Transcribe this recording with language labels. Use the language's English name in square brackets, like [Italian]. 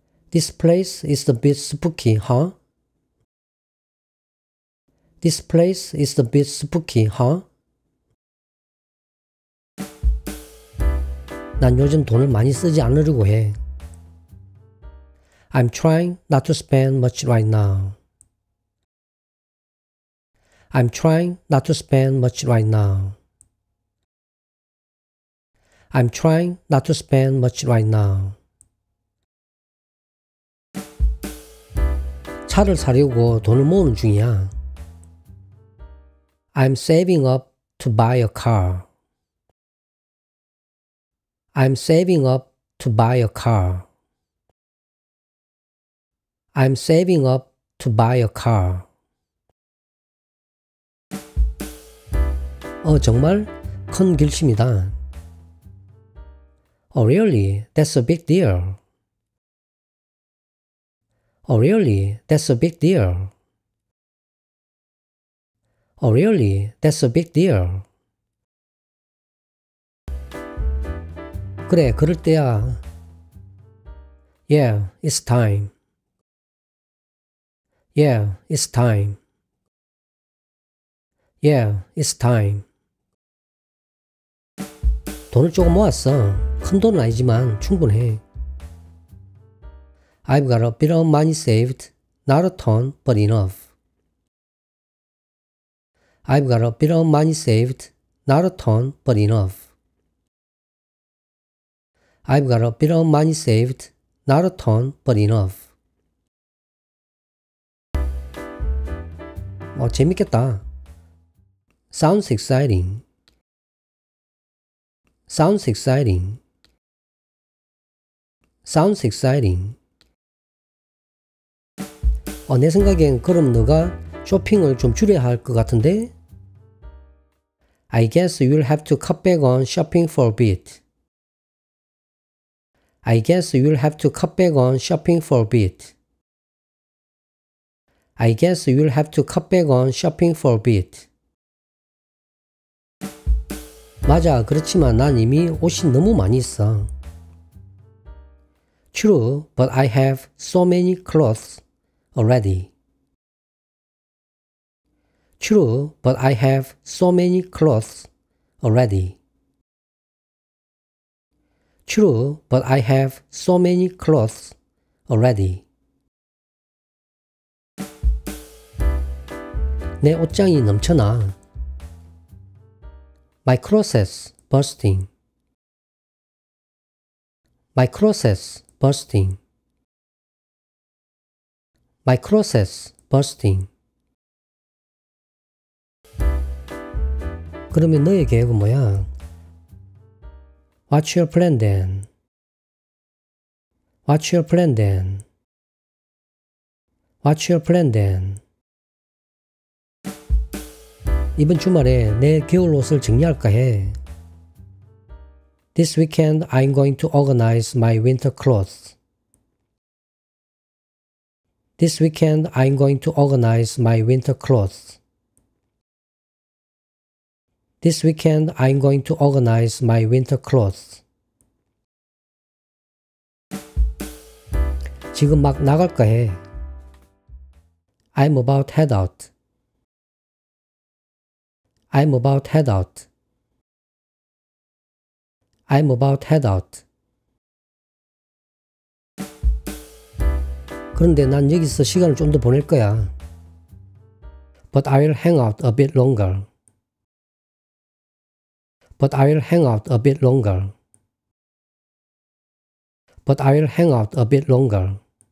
[English] This place is a bit spooky, huh? This place is a bit spooky, huh? [Korean] 난 요즘 돈을 많이 쓰지 않으려고 해. [English] I'm trying not to spend much right now. I'm trying not to spend much right now. I'm trying not to spend much right now. [Korean] 차를 사려고 돈을 모으는 중이야. [English] I'm saving up to buy a car. I'm saving up to buy a car. I'm saving up to buy a car. [Korean] 어, 정말 큰 결심이다. [English] Oh, really? That's a big deal. Oh, really? That's a big deal. Oh, really? That's a big deal. [Korean] 그래, 그럴 때야. [English] Yeah, it's time. Yeah, it's time. Yeah, it's time. [Korean] 돈을 조금 모았어. 큰 돈은 아니지만 충분해. [English] I've got a bit of money saved, not a ton, but enough. I've got a bit of money saved, not a ton, but enough. I've got a bit of money saved, not a ton, but enough. [Korean] 어, 재밌겠다. [English] Sounds exciting. Sounds exciting. Sounds exciting. [Korean] 어, 내 생각엔 그럼 너가 쇼핑을 좀 줄여야 할 것 같은데? [English] I guess you'll have to cut back on shopping for a bit. I guess you'll have to cut back on shopping for a bit. I guess you'll have to cut back on shopping for a bit. [Korean] 맞아. 그렇지만 난 이미 옷이 너무 많이 있어. [English] True, but I have so many clothes already. True, but I have so many clothes already. True, but I have so many clothes already. [Korean] 내 옷장이 넘쳐나. [English] My closet's bursting. My closet's bursting. My closet's bursting. [Korean] 그러면 너의 계획은 뭐야? [English] What's your plan then? What's your plan then? What's your plan then? [Korean] 이번 주말에 내 겨울 옷을 정리할까 해. [English] This weekend I'm going to organize my winter clothes. This weekend I'm going to organize my winter clothes. This weekend I'm going to organize my winter clothes. [Korean] 지금 막 나갈까 해. [English] I'm about to head out. I'm about head out. I'm about head out. [Korean] 그런데 난 여기서 시간을 좀 더 보낼 거야. [English] But I will hang out a bit longer. But I will hang out a bit longer. But I will hang out a bit longer.